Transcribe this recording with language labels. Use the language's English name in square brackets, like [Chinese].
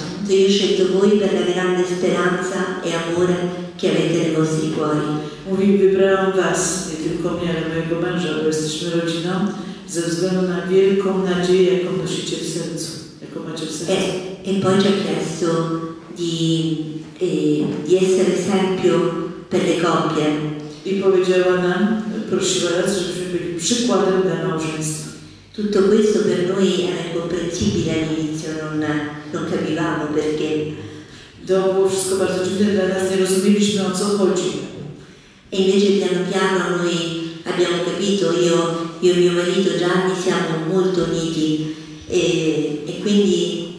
[Italian] Io ho scelto voi per la grande speranza e amore che avete nei vostri cuori. [Polish] Mówi, wybrałam was, nie tylko mnie, ale mojego męża, bo jesteśmy rodziną, ze względu na wielką nadzieję, jaką nosicie w sercu, jaką macie w sercu. [Italian] E poi ci ha chiesto di essere esempio per le coppie. [Polish] I powiedziała nam, prosiła nas, żebyśmy byli przykładem dla małżeństwa. [Italian] Tutto questo per noi era incomprensibile all'inizio, non capivamo perché. [Polish] To było wszystko bardzo dziwne dla nas, nie rozumieliśmy, o co chodzi. [Italian] E invece piano piano noi abbiamo capito, io e mio marito Gianni siamo molto uniti e quindi...